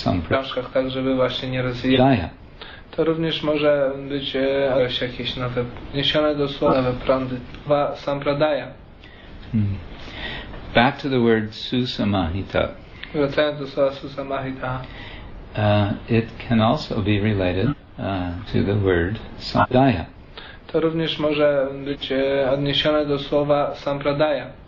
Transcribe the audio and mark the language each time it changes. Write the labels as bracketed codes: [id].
[pl] książkach, tak żeby właśnie nie rozwijały. To również może być jakieś nowe niesione do słowa, nowe prądy. [sa] Sampradaya. [en] Back to the word susamahita. [pl] Wracając do słowa susamahita. [en] It can also be related to the word sampradaya. [pl] To również może być odniesione do słowa sampradaya.